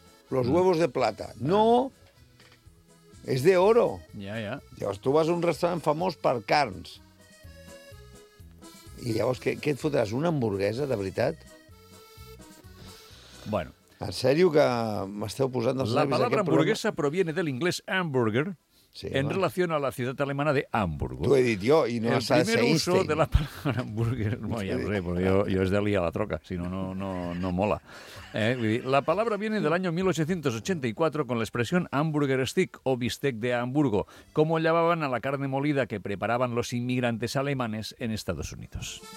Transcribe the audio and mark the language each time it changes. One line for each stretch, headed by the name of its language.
Spanish: Los huevos de plata. No, és de oro. Ja, ja.
Catalan: Llavors, tu vas a un restaurant famós per carns. I llavors, què et fotràs? Una hamburguesa, de veritat? Bueno. En sèrio que m'esteu posant dels nervis?
Spanish: La palabra hamburguesa proviene del inglés hamburger.
Catalan: Sí, en relació a la ciutat alemana de Hamburgo. T'ho he dit jo, i no s'ha de ser el primer uso de la paraula hamburguer... No, ja ho sé, perquè jo és de liar la troca, si no mola. Vull dir,
Spanish: la palabra viene del año 1884 con la expresión hamburger steak o bistec de Hamburgo, como llamaban a la carne molida que preparaban los inmigrantes alemanes en Estados Unidos.